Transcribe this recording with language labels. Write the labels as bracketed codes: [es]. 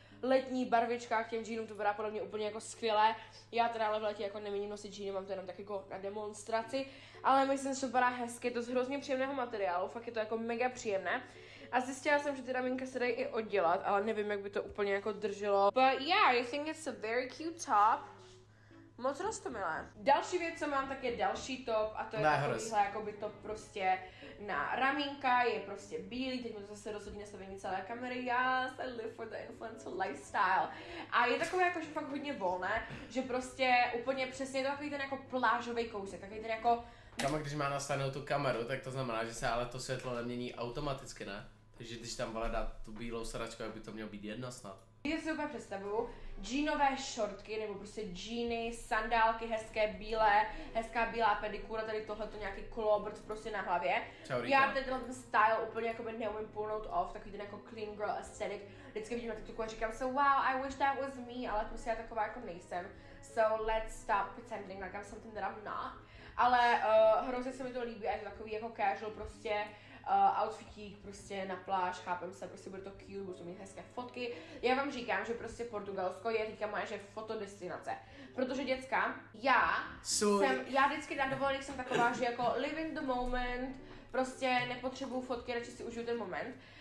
[cs] Letní barvička k těm džínům, to vypadá podle mě úplně jako skvělé. Já teda ale v letě jako neměním nosit džíny, mám to jenom tak jako na demonstraci. Ale myslím, že to vypadá hezky, je to z hrozně příjemného materiálu, fakt je to jako mega příjemné. A zjistila jsem, že ty ramínka se dají i oddělat, ale nevím, jak by to úplně jako drželo. [en] But yeah, I think it's a very cute top. [cs] Moc roztomilé. Další věc, co mám, tak je další top a to je takovýhle, jakoby to prostě na ramínka, je prostě bílý, teď mu to zase rozhodí nastavení celé kamery, [en] yes, I live for the influencer lifestyle. [cs] A je takové jako, že fakt hodně volné, že prostě úplně přesně je to takový ten jako plážový kousek, takový ten jako... Kama, když má nastavenou tu kameru, tak to znamená, že se ale to světlo nemění automaticky, ne? Takže když tam vole dát tu bílou sračku, aby to mělo být jedno snad. Já si úplně představuju, džínové šortky, nebo prostě džíny, sandálky hezké bílé, hezká bílá pedikura, tady tohleto nějaký klobrt prostě na hlavě. Čau, já tenhle ten style úplně jakoby neumím pullnout off, takový ten jako [en] clean girl aesthetic. [cs] Vždycky vidím na TikToku a říkám se, [en] wow, I wish that was me, [cs] ale prostě já taková jako nejsem. [en] So let's stop pretending like I'm something that I'm not. [cs] Ale hrozně se mi to líbí, je to takový jako casual prostě. Outfitík prostě na pláž, chápem se, prostě bude to cute, budu mít hezké fotky. Já vám říkám, že prostě Portugalsko je teďka moje, že fotodestinace. Protože děcka, já vždycky na dovolených jsem taková, že jako [en] living the moment, [cs] prostě nepotřebuju fotky, radši si užiju ten moment.